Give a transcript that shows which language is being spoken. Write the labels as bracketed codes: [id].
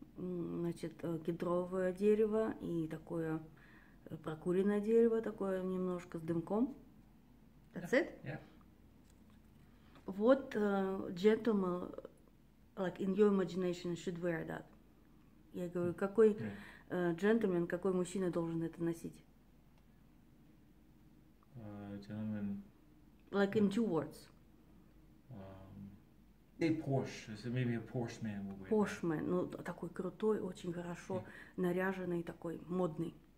[ru] Значит, кедровое дерево и такое прокуренное дерево, такое немножко с дымком. [en] That's yeah. it? Yeah. What gentleman, like in your imagination, should wear that? [ru] Я говорю, какой джентльмен, [en] yeah. [ru] Какой мужчина должен это носить? [en] Gentleman. Like in two words. A Porsche, so maybe a Porsche man will wear. [ru] Porsche man, ну такой крутой, очень хорошо наряженный, такой модный.